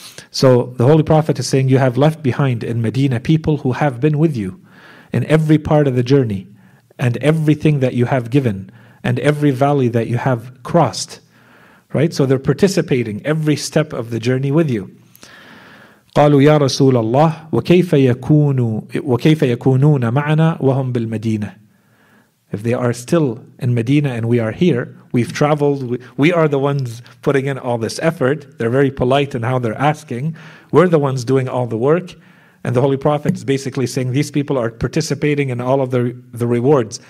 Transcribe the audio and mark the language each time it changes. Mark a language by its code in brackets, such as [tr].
[en] So the Holy Prophet is saying, you have left behind in Medina people who have been with you in every part of the journey and everything that you have given and every valley that you have crossed. Right? So they're participating every step of the journey with you. [ar] قالوا يا رسول الله وكيف يكونون معنا وهم بالمدينة. [en] If they are still in Medina and we are here, we've traveled, we are the ones putting in all this effort. They're very polite in how they're asking. We're the ones doing all the work. And the Holy Prophet is basically saying these people are participating in all of the rewards.